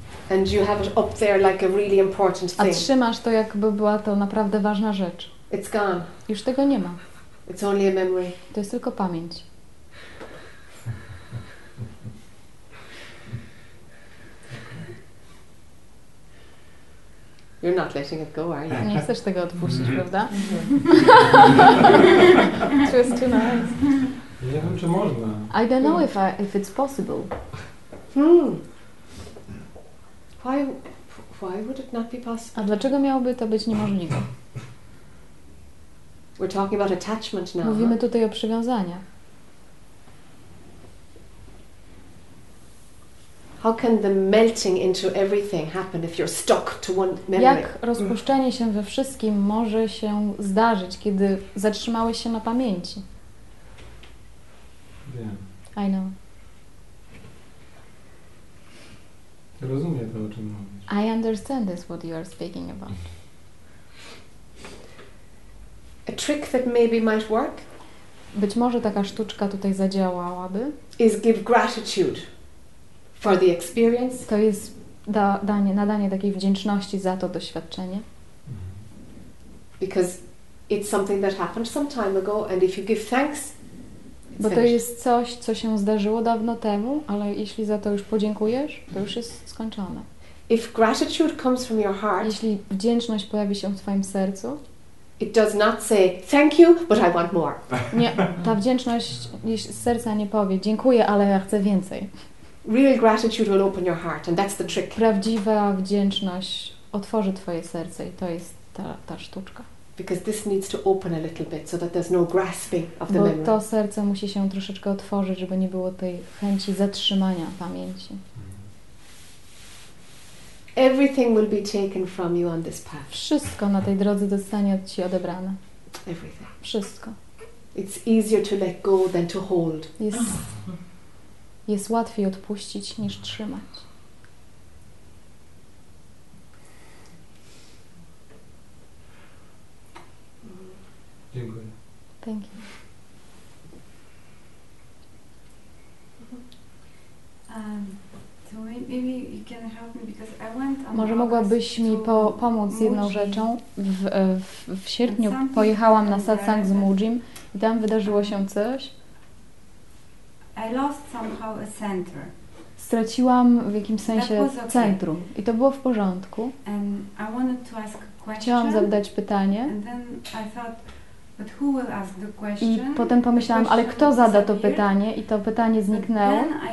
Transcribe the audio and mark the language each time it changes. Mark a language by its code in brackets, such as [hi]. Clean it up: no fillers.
[en] And you have it up there like a really important thing. [pl] A trzymasz to jakby była to naprawdę ważna rzecz. [en] It's gone. [pl] Już tego nie ma. [en] It's only a memory. [pl] To jest tylko pamięć. [en] You're not letting it go, are you? [pl] Nie chcesz tego odpuścić, prawda? [en] It was too nice. [pl] Nie wiem, czy można. [en] I don't know if it's possible. Why would it not be possible? [pl] A dlaczego miałoby to być niemożliwe? [en] We're talking about attachment now. [pl] Mówimy tutaj o przywiązaniu. [en] How can the melting into everything happen if you're stuck to one memory? [pl] Jak rozpuszczenie się we wszystkim może się zdarzyć, kiedy zatrzymałeś się na pamięci? Wiem. [en] I know. [pl] Rozumiem to, o czym mówisz. [en] I understand this, what you are speaking about. trick that maybe might work? [pl] Być może taka sztuczka tutaj zadziałałaby. [en] Is give gratitude for the experience. [pl] To jest nadanie takiej wdzięczności za to doświadczenie. [en] Because it's something that happened some time ago, and if you give thanks. [pl] Bo to jest coś, co się zdarzyło dawno temu, ale jeśli za to już podziękujesz, to już jest skończone. [en] If gratitude comes from your heart, [pl] jeśli wdzięczność pojawi się w twoim sercu, [en] it does not say thank you, but I want more. [pl] Nie, ta wdzięczność z serca nie powie dziękuję, ale ja chcę więcej. [en] Real gratitude will open your heart, and that's the trick. [pl] Prawdziwa wdzięczność otworzy twoje serce i to jest ta sztuczka. [en] Because this needs to open a little bit, so that there's no grasping of the [pl] bo [en] memory. [pl] Bo to serce musi się troszeczkę otworzyć, żeby nie było tej chęci zatrzymania pamięci. [en] Everything will be taken from you on this path. [pl] Wszystko na tej drodze zostanie od ci odebrane. [en] Everything. [pl] Wszystko. [en] It's easier to let go than to hold. [pl] Jest łatwiej odpuścić niż trzymać. Dziękuję. [en] Thank you. So maybe you can help me because I went on. [pl] Może mogłabyś mi pomóc jedną rzeczą? W sierpniu pojechałam na satsang z Mujim i tam wydarzyło się coś. [en] I lost somehow a center. [pl] Straciłam w jakimś sensie centrum i to było w porządku. [en] And I wanted to ask a question. [pl] Chciałam zadać pytanie. [en] And then I thought, but who will ask the question? [pl] I potem pomyślałam, ale kto zada to pytanie? I to pytanie zniknęło.